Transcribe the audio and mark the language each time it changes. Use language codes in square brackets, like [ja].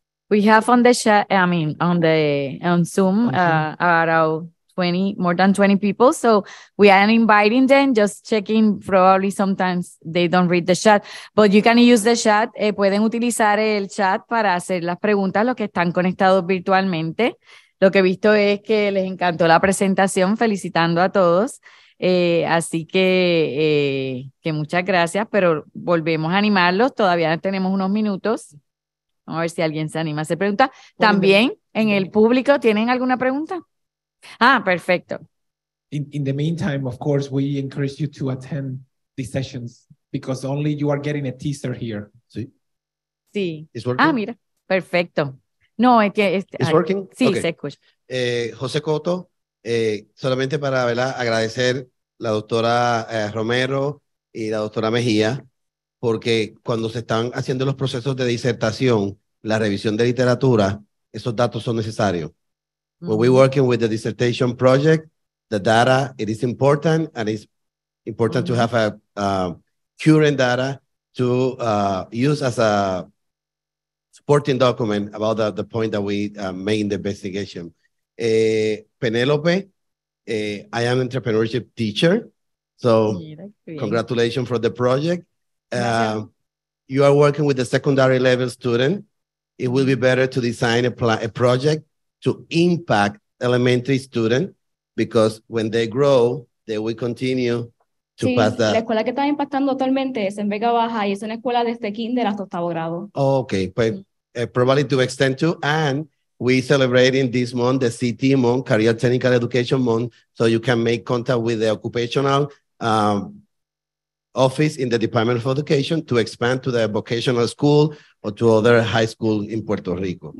[en] We have on the chat, on Zoom, about more than 20 people. So we are inviting them, just checking, probably sometimes they don't read the chat, but you can use the chat. [es] Pueden utilizar el chat para hacer las preguntas a los que están conectados virtualmente. Lo que he visto es que les encantó la presentación, felicitando a todos. Así que muchas gracias, pero volvemos a animarlos, todavía tenemos unos minutos. Vamos a ver si alguien se anima a hacer preguntas. También en el público, ¿tienen alguna pregunta? Ah, perfecto. [en] In the meantime, of course, we encourage you to attend these sessions because only you are getting a teaser here. [es] Sí. Sí. [en] It's working. [es] Ah, mira, perfecto. No, es que [en] it's working. [es] Sí, okay. Se escucha. José Coto, solamente para, ¿verdad?, agradecer la doctora Romero y la doctora Mejía, porque cuando se están haciendo los procesos de disertación, la revisión de literatura, esos datos son necesarios. [en] When we're working with the dissertation project, the data, it is important, and it's important to have a current data to use as a supporting document about the point that we made in the investigation. Penelope, I am an entrepreneurship teacher, so congratulations for the project. You are working with the secondary level student. It will be better to design a project to impact elementary students, because when they grow, they will continue to pass that. [es] La escuela que está impactando actualmente es en Vega Baja, y es una escuela desde kinder hasta octavo grado. [en] Okay, but probably to extend to, and we celebrating this month, the CT month, Career Technical Education month, so you can make contact with the occupational office in the Department of Education to expand to the vocational school or to other high school in Puerto Rico.